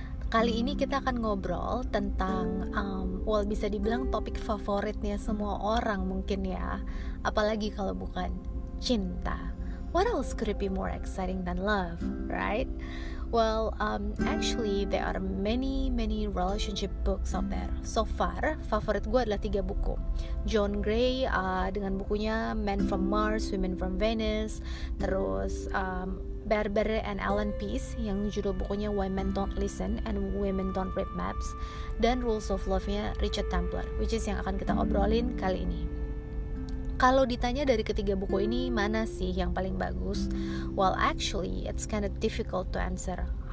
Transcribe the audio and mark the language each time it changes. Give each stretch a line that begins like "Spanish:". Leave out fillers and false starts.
Indonesian: Kali ini kita akan ngobrol tentang bisa dibilang topik favoritnya semua orang mungkin ya. Apalagi kalau bukan cinta.
English: What else could it be more exciting than love, right? Well, actually there are many relationship books out there. So far,
Indonesian: favorit gue adalah 3 buku. John Gray dengan bukunya Men from Mars, Women from Venus, terus Barbara and Ellen Peace yang judul bukunya Why Men Don't Listen and Women Don't Read Maps, dan Rules of Love-nya Richard Templer,
English: which is
Indonesian: yang akan kita obrolin kali ini. Kalau ditanya dari ketiga buku ini, mana sih yang paling bagus?
English: Well, actually, it's kind of difficult to answer.